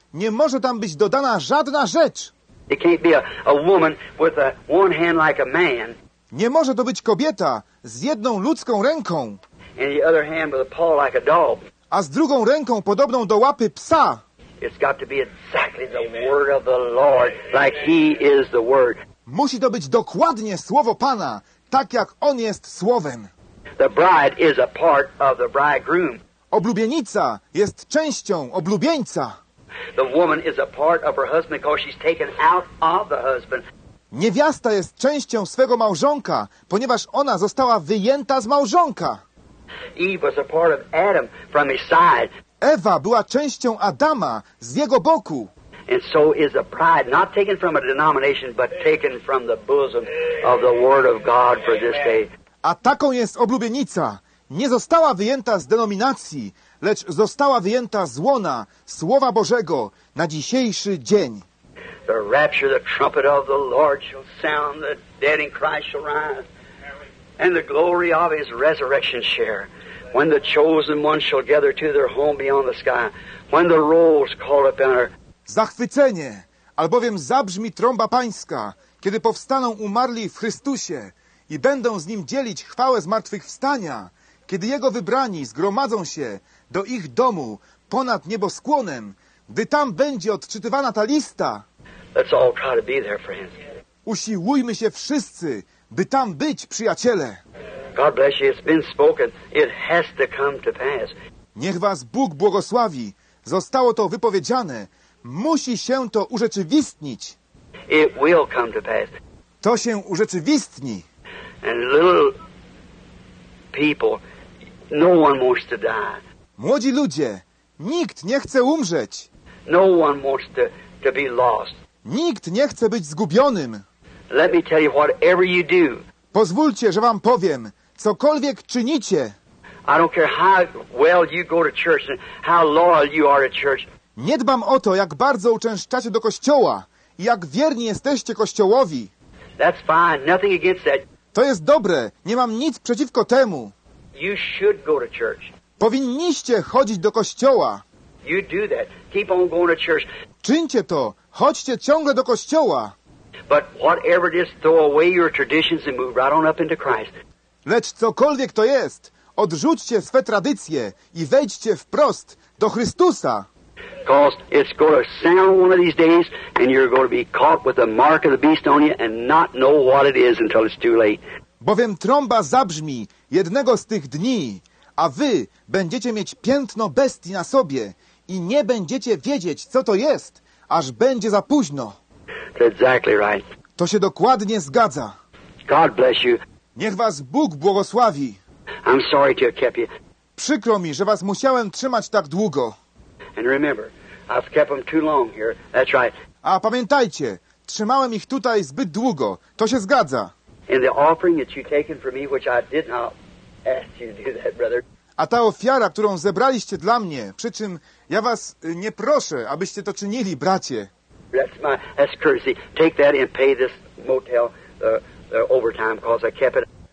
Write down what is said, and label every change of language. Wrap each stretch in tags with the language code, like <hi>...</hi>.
<pl>Nie może tam być dodana żadna rzecz.</pl> <en>It can't be a woman with a one hand like a man.</en> <pl>Nie może to być kobieta z jedną ludzką ręką.</pl> <en>And the other hand with a paw like a dog.</en> <pl>A z drugą ręką podobną do łapy psa.</pl> <en>It's got to be exactly the word of the Lord, like he is the word.</en> <pl>Musi to być dokładnie słowo Pana, tak jak On jest Słowem.</pl> <en>The bride is a part of the bridegroom.</en> <pl>Oblubienica jest częścią oblubieńca.</pl> <en>The woman is a part of her husband because she's taken out of the husband.</en> <pl>Niewiasta jest częścią swego małżonka, ponieważ ona została wyjęta z małżonka.</pl> <en>Eve was a part of Adam from his side.</en> <pl>Ewa była częścią Adama z jego boku.</pl> <en>And so is the bride, not taken from a denomination, but taken from the bosom of the Word of God for this day.</en> <pl>A taką jest oblubienica. Nie została wyjęta z denominacji, lecz została wyjęta z łona Słowa Bożego na dzisiejszy dzień.</pl> <en>The rapture, the trumpet of the Lord shall sound, the dead in Christ shall rise, and the glory of his resurrection share. When the chosen ones shall gather to their home beyond the sky, when the rolls call up in our...</en> <pl>Zachwycenie, albowiem zabrzmi trąba Pańska, kiedy powstaną umarli w Chrystusie i będą z Nim dzielić chwałę zmartwychwstania, kiedy Jego wybrani zgromadzą się do ich domu ponad nieboskłonem, gdy tam będzie odczytywana ta lista.</pl> <en>Let's all try to be there, friends.</en> <pl>Usiłujmy się wszyscy, by tam być, przyjaciele.</pl> <en>God bless you. It's been spoken. It has to come to pass.</en> <pl>Niech Was Bóg błogosławi. Zostało to wypowiedziane. Musi się to urzeczywistnić.</pl> <en>It will come to pass.</en> <pl>To się urzeczywistni.</pl> <en>And little people, no one wants to die.</en> <pl>Młodzi ludzie, nikt nie chce umrzeć.</pl> <en>No one wants to be lost.</en> <pl>Nikt nie chce być zgubionym.</pl> <en>Let me tell you, whatever you do.</en> <pl>Pozwólcie, że wam powiem, cokolwiek czynicie.</pl> <en>I don't care how well you go to church and how loyal you are to church.</en> <pl>Nie dbam o to, jak bardzo uczęszczacie do kościoła i jak wierni jesteście kościołowi.</pl> <en>That's fine. Nothing against that.</en> <pl>To jest dobre. Nie mam nic przeciwko temu.</pl> <en>You should go to church.</en> <pl>Powinniście chodzić do kościoła.</pl> <en>You do that. Keep on going to church.</en> <pl>Czyńcie to. Chodźcie ciągle do kościoła.</pl> <en>But whatever it is, throw away your traditions and move right on up into Christ.</en> <pl>Lecz cokolwiek to jest, odrzućcie swe tradycje i wejdźcie wprost do Chrystusa.</pl> <en>Because it's going to sound one of these days and you're going to be caught with the mark of the beast on you and not know what it is until it's too late.</en> <pl>Bowiem trąba zabrzmi jednego z tych dni, a wy będziecie mieć piętno bestii na sobie i nie będziecie wiedzieć, co to jest, aż będzie za późno.</pl> <en>That's exactly right.</en> <pl>To się dokładnie zgadza.</pl> <en>God bless you.</en> <pl>Niech was Bóg błogosławi.</pl> <en>I'm sorry to have kept you.</en> <pl>Przykro mi, że was musiałem trzymać tak długo.</pl> <en>And remember, I've kept them too long here. That's right.</en> <pl>A pamiętajcie, trzymałem ich tutaj zbyt długo. To się zgadza.</pl> <en>And the offering that you taken for me, which I did not ask you to do that, brother.</en> <pl>A ta ofiara, którą zebraliście dla mnie, przy czym ja was nie proszę, abyście to czynili, bracie.</pl> <en>That's courtesy. Take that and pay this motel the overtime cause I kept it.</en>